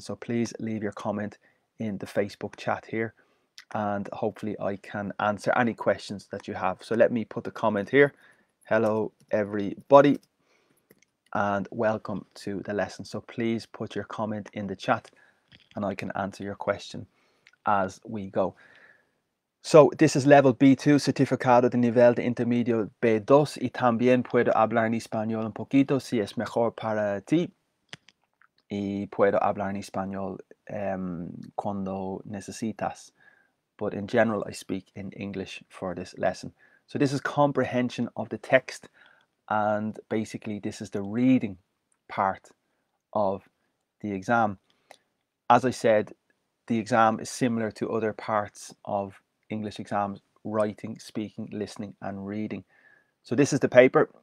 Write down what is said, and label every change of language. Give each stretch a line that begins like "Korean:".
English: So please leave your comment in the Facebook chat here, and hopefully I can answer any questions that you have. So let me put the comment here. Hello everybody and welcome to the lesson. So please put your comment in the chat and I can answer your question as we go. So this is level B2,
Spanish: certificado de nivel de intermedio B2, y también puedo hablar en español un poquito si es mejor para ti, y puedo hablar en español cuando necesitas.
English: But in general, I speak in English for this lesson. So this is comprehension of the text. And basically, this is the reading part of the exam. As I said, the exam is similar to other parts of English exams: writing, speaking, listening, and reading. So this is the paper.